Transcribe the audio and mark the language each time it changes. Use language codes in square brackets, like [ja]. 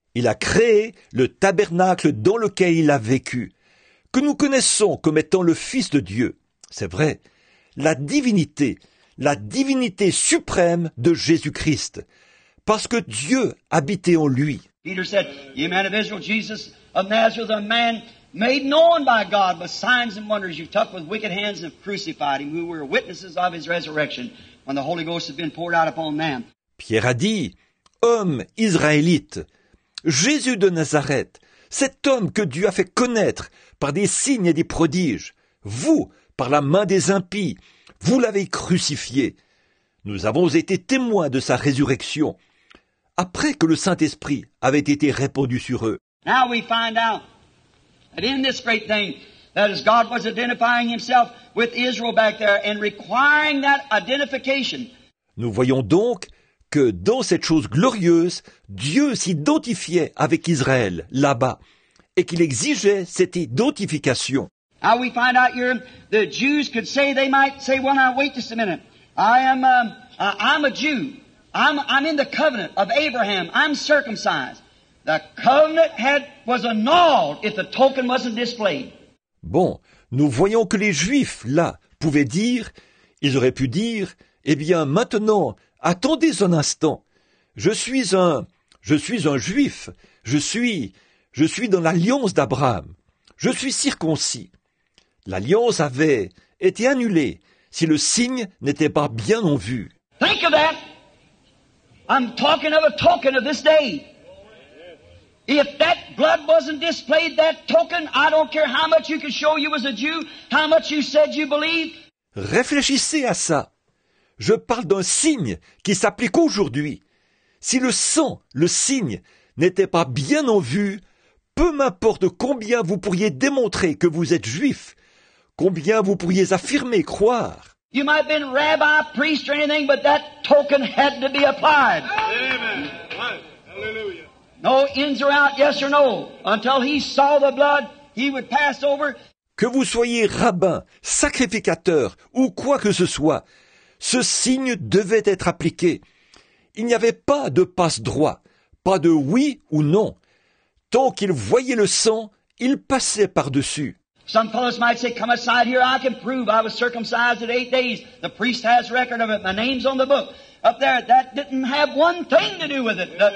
[fr] Il a créé le tabernacle dans lequel il a vécu, que nous connaissons comme étant le Fils de Dieu. C'est vrai, la divinité suprême de Jésus-Christ, parce que Dieu habitait en lui. [en] Peter said, ye men of Israel, Jesus of Nazareth, a man made known by God with signs and wonders, you took with wicked hands and crucified him, who were witnesses of his resurrection, when the Holy Ghost had been poured out upon them. [fr] Pierre a dit, homme israélite, Jésus de Nazareth, cet homme que Dieu a fait connaître par des signes et des prodiges, vous, par la main des impies, vous l'avez crucifié. Nous avons été témoins de sa résurrection, après que le Saint-Esprit avait été répandu sur eux. [en] Now we find out that in this great thing, that as God was identifying himself with Israel back there and requiring that identification. [fr] Nous voyons donc que dans cette chose glorieuse, Dieu s'identifiait avec Israël, là-bas, et qu'il exigeait cette identification. [en] Now we find out here, the Jews could say, they might say, well now wait just a minute, I'm a Jew, I'm in the covenant of Abraham, I'm circumcised. The covenant was annulled if the token wasn't displayed. [fr] Bon, nous voyons que les Juifs, là, pouvaient dire, ils auraient pu dire, eh bien maintenant, attendez un instant, je suis un juif, je suis dans l'alliance d'Abraham, je suis circoncis. L'alliance avait été annulée si le signe n'était pas bien en vue. [en] Think of that. I'm talking of a token of this day. If that blood wasn't displayed, that token, I don't care how much you can show you as a Jew, how much you said you believe. [fr] Réfléchissez à ça. Je parle d'un signe qui s'applique aujourd'hui. Si le sang, le signe, n'était pas bien en vue, peu m'importe combien vous pourriez démontrer que vous êtes juif, combien vous pourriez affirmer, croire. [en] You might have been rabbi, priest or anything, but that token had to be applied. Amen. Hallelujah. No ins or out, yes or no. Until he saw the blood, he would pass over. [fr] Que vous soyez rabbin, sacrificateur ou quoi que ce soit, ce signe devait être appliqué. Il n'y avait pas de passe-droit, pas de oui ou non. Tant qu'il voyait le sang, il passait par-dessus. [en] Some fellows might say, come aside here, I can prove I was circumcised in 8 days. The priest has record of it, my name's on the book. Up there, that didn't have one thing to do with it.